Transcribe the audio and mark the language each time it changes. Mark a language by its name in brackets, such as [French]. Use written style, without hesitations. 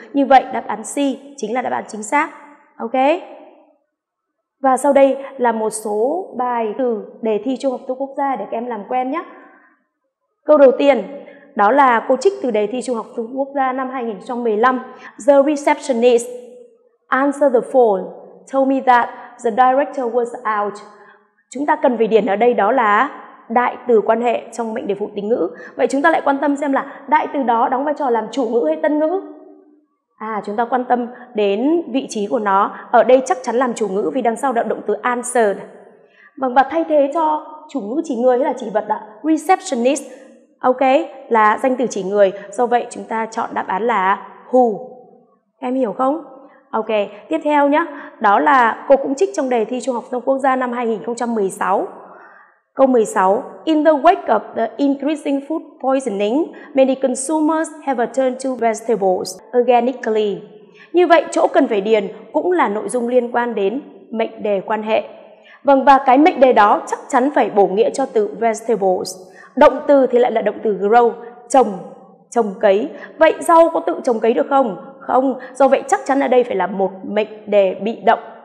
[Vietnamese] Như vậy đáp án C chính là đáp án chính xác. Ok. Và sau đây là một số bài từ đề thi trung học phổ thông quốc gia để các em làm quen nhé. Câu đầu tiên, đó là cô trích từ đề thi trung học phổ thông quốc gia năm 2015. [English] The receptionist answered the phone, told me that the director was out. [Vietnamese] Chúng ta cần phải điền ở đây đó là đại từ quan hệ trong mệnh đề phụ tính ngữ. Vậy chúng ta lại quan tâm xem là đại từ đó đóng vai trò làm chủ ngữ hay tân ngữ? À, chúng ta quan tâm đến vị trí của nó. Ở đây chắc chắn làm chủ ngữ vì đằng sau đã động từ answered. Vâng, và thay thế cho chủ ngữ chỉ người hay là chỉ vật ạ? Receptionist, ok, là danh từ chỉ người. Do vậy chúng ta chọn đáp án là who. Em hiểu không? Ok, tiếp theo nhé. Đó là cô cũng trích trong đề thi trung học phổ thông quốc gia năm 2016. Câu 16. [English] In the wake of the increasing food poisoning, many consumers have turned to vegetables organically. [Vietnamese] Như vậy, chỗ cần phải điền cũng là nội dung liên quan đến mệnh đề quan hệ. Vâng, và cái mệnh đề đó chắc chắn phải bổ nghĩa cho từ vegetables. Động từ thì lại là động từ grow, trồng, trồng cấy. Vậy rau có tự trồng cấy được không? Không, do vậy chắc chắn ở đây phải là một mệnh đề bị động.